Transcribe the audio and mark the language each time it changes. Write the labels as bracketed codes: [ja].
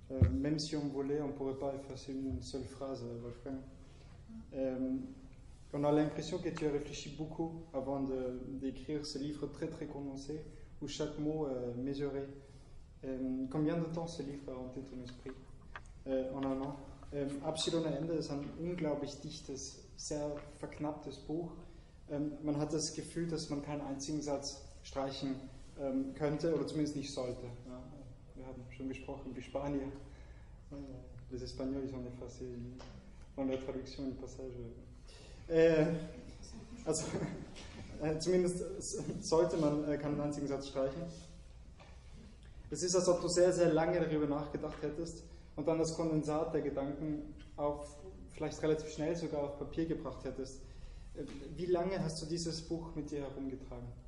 [fr] Même si on voulait, on ne pourrait pas effacer une seule phrase, Wolfgang. On a l'impression que tu as réfléchi beaucoup avant d'écrire ce livre très très condensé, où chaque mot est mesuré. Combien de temps ce livre a hanté ton esprit en un an? [de] Absolute Ende ist ein unglaublich dichtes, sehr verknapptes Buch. Man hat das Gefühl, dass man keinen einzigen Satz streichen könnte oder zumindest nicht sollte. Ja, wir haben schon gesprochen über Spanien. [fr] Les Espagnols ont effacé dans la traduction un passage. [de] Zumindest sollte man keinen einzigen Satz streichen. Es ist, als ob du sehr, sehr lange darüber nachgedacht hättest und dann das Kondensat der Gedanken auf, vielleicht relativ schnell sogar auf Papier gebracht hättest. Wie lange hast du dieses Buch mit dir herumgetragen?